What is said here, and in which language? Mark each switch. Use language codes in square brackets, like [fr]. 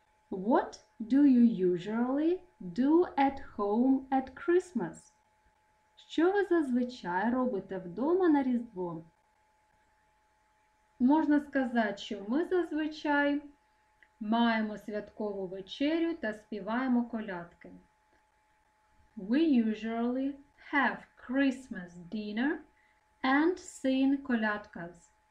[en] What do you usually do at home at Christmas? [uk] Що ви зазвичай робите вдома на Різдво? Можна сказати, що ми зазвичай маємо святкову вечерю та співаємо колядки. [en] We usually have Christmas dinner and sing колядкас.